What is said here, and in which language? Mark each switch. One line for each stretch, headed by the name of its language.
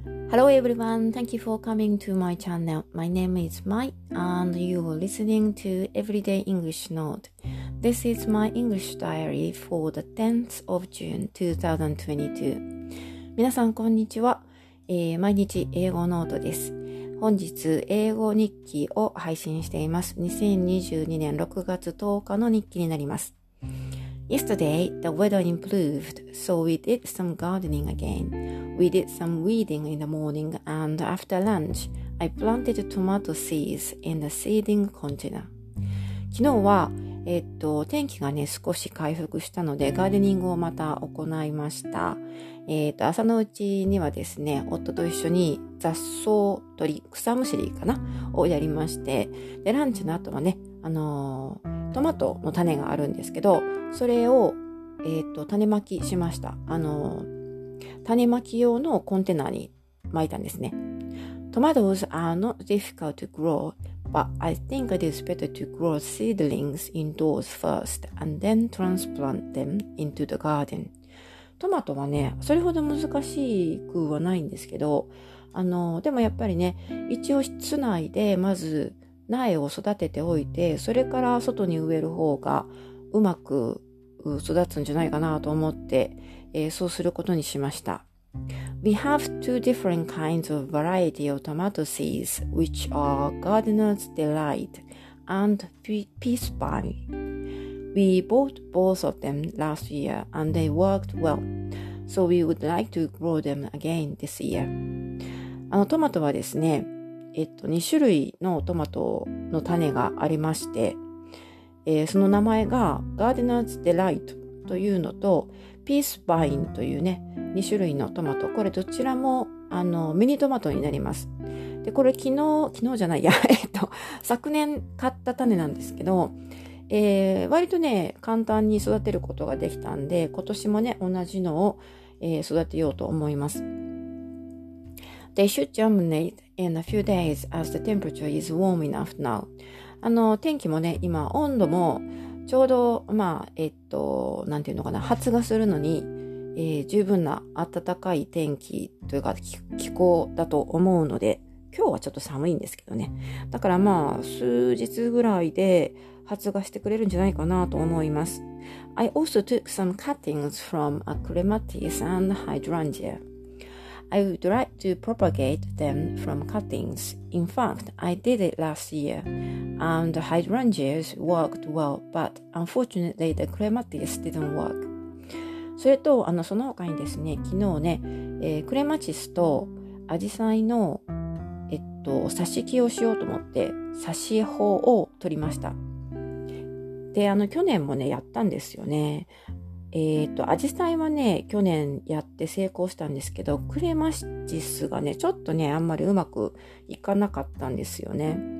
English: Hello everyone, thank you for coming to my channel. My name is Mai and you are listening to Everyday English Note. This is my English diary for the 10th of June 2022.
Japanese: 皆さんこんにちは、毎日英語ノートです。本日英語日記を配信しています。2022年6月10日の日記になります。
English: Yesterday, the weather improved, so we did some gardening again. We did some weeding in the morning, and after lunch, I planted tomato seeds in the seeding container.
Japanese: 昨日は、天気がね、少し回復したので、ガーデニングをまた行いました。朝のうちにはですね、夫と一緒に雑草取り、草むしりかな、をやりまして、で、ランチの後はね、トマトの種があるんですけど、それを、種まきしました。種まき用のコンテナにまいたんですね。
English: Tomatoes are not difficult to grow, but I think it is better to grow seedlings indoors first and then transplant them into the garden.
Japanese: トマトはね、それほど難しくはないんですけど、でもやっぱりね、一応室内でまず苗を育てておいて、それから外に植える方がうまく育つんじゃないかなと思って、そうすることにしました。
English: We have two different kinds of variety of tomato seeds, which are Gardener's Delight and Peace Pie. We bought both of them last year and they worked well, so we would like to grow them again this year.
Japanese: トマトはですね、2種類のトマトの種がありまして、その名前がガーデナーズデライトというのとピースバインというね、2種類のトマト、これどちらもミニトマトになります。で、これ昨日じゃないや昨年買った種なんですけど、割とね簡単に育てることができたんで、今年もね同じのを、育てようと思います。
English: They should germinate in a few days as the temperature is warm enough now.
Japanese: 天気もね、今温度もちょうど、まあ、なんていうのかな、発芽するのに、十分な暖かい天気というか気候だと思うので、今日はちょっと寒いんですけどね。だからまあ、数日ぐらいで発芽してくれるんじゃないかなと思います。
English: I also took some cuttings from a Clematis and Hydrangea. I would like to propagate them from cuttings. In fact, I did it last year, and the hydrangeas worked well, but unfortunately the clematis didn't work.
Japanese: それと、その他にですね、昨日ね、クレマチスとアジサイの、挿し木をしようと思って、挿し穂を取りました。で、去年もね、やったんですよね。アジサイはね、去年やって成功したんですけど、クレマチスがね、ちょっとね、あんまりうまくいかなかったんですよね。